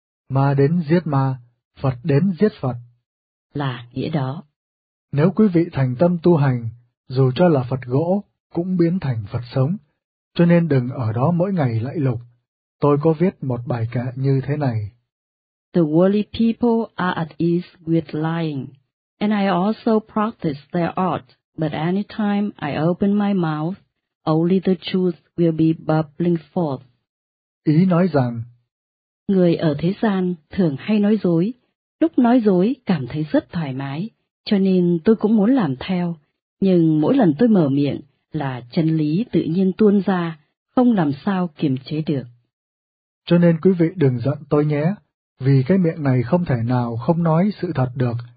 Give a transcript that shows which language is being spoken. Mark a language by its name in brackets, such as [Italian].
[Vietnamese] ma đến giết ma, Phật đến giết Phật, là nghĩa đó. Nếu quý vị thành tâm tu hành, dù cho là Phật gỗ, cũng biến thành Phật sống, cho nên đừng ở đó mỗi ngày lạy lục. Tôi có viết một bài kệ như thế này. [English] The worldly people are at ease with lying, and I also practice their art, but any time I open my mouth, only the truth will be bubbling forth. [Vietnamese] Ý nói rằng, người ở thế gian thường hay nói dối, lúc nói dối cảm thấy rất thoải mái, cho nên tôi cũng muốn làm theo, nhưng mỗi lần tôi mở miệng là chân lý tự nhiên tuôn ra, không làm sao kiềm chế được. Cho nên quý vị đừng giận tôi nhé, vì cái miệng này không thể nào không nói sự thật được.